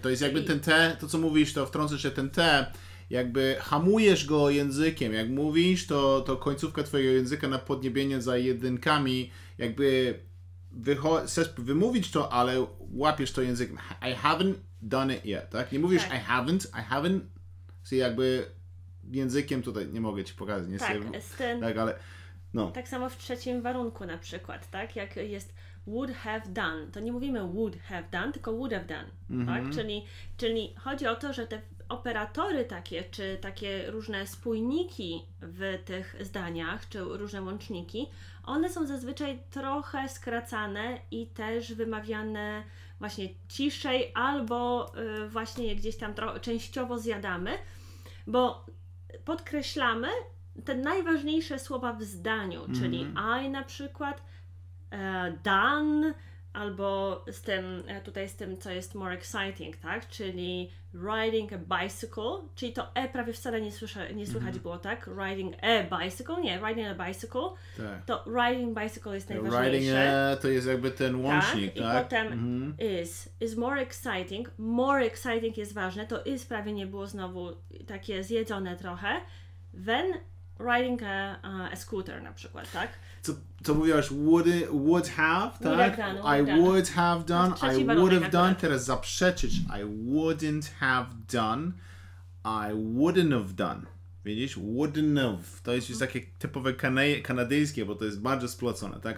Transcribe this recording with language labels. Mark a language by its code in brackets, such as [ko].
[pl] to jest jakby ten T, to co mówisz, to wtrącę się ten T, jakby hamujesz go językiem, jak mówisz, to końcówka twojego języka na podniebienie za jedynkami, jakby wymówić to, ale łapiesz to językiem. [en] I haven't done it yet, [pl] tak? Nie mówisz tak. [en] I haven't, [pl] czyli jakby językiem tutaj, nie mogę ci pokazać, nie tak, sobie, tak, ale no. Tak samo w trzecim warunku na przykład, tak? Jak jest [en] would have done, [pl] to nie mówimy would have done, tylko would have done, tak? Czyli chodzi o to, że te operatory takie, czy takie różne spójniki w tych zdaniach, czy różne łączniki, one są zazwyczaj trochę skracane i też wymawiane właśnie ciszej, albo właśnie je gdzieś tam częściowo zjadamy, bo podkreślamy te najważniejsze słowa w zdaniu, czyli I na przykład, done, albo z tym, tutaj z tym, co jest [en] more exciting, [pl] tak? Czyli [en] riding a bicycle, [pl] czyli to e prawie wcale nie słychać było, tak? [en] Riding a bicycle, [pl] nie, [en] riding a bicycle, [pl] tak. To riding bicycle jest najważniejsze. Riding to jest jakby ten łącznik, tak? I potem [en] is more exciting [pl] jest ważne, to is prawie nie było znowu takie zjedzone trochę, [en] when riding a scooter [pl] na przykład, tak? To mówiłaś [en] would have, [pl] tak? [en] I would have done, I would have done, [pl] teraz zaprzeczyć, [en] I wouldn't have done, I wouldn't have done, [pl] widzisz? [en] Wouldn't have, [pl] to jest już takie typowe kanadyjskie, bo to jest bardzo splocone, tak?